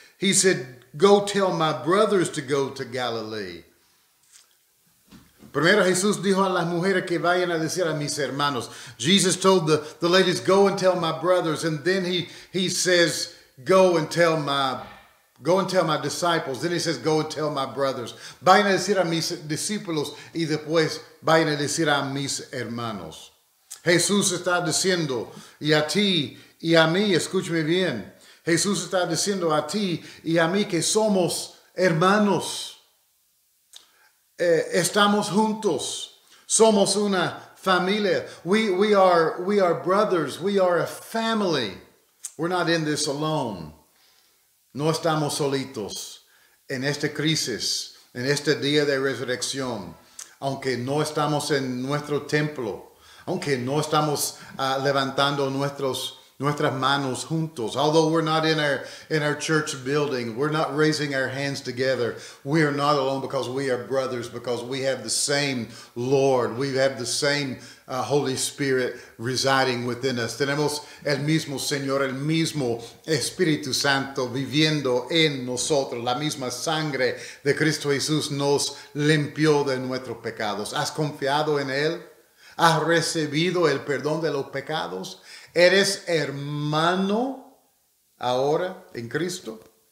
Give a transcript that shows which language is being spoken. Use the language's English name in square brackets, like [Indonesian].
[English] He said, go tell my brothers to go to Galilee. [Spanish] Primero Jesús dijo a las mujeres que vayan a decir a mis hermanos. [English] Jesus told the ladies, go and tell my brothers. And then he says, go and tell my disciples. Then he says, go and tell my brothers. [Spanish] Vayan a decir a mis discípulos y después vayan a decir a mis hermanos. Jesús está diciendo, y a ti y a mí, escúchame bien. Jesús está diciendo a ti y a mí que somos hermanos. Estamos juntos. Somos una familia. [English] We are brothers. We are a family. We're not in this alone. [Spanish] No estamos solitos en esta crisis, en este día de resurrección. Aunque no estamos en nuestro templo, aunque no estamos levantando nuestras manos juntos, [English] although we're not in our church building, we're not raising our hands together, we are not alone because we are brothers, because we have the same Lord, we have the same Holy Spirit residing within us. [Spanish] Tenemos el mismo Señor, el mismo Espíritu Santo viviendo en nosotros. La misma sangre de Cristo Jesús nos limpió de nuestros pecados. ¿Has confiado en Él? ¿Has recibido el perdón de los pecados? ¿Eres hermano ahora en Cristo?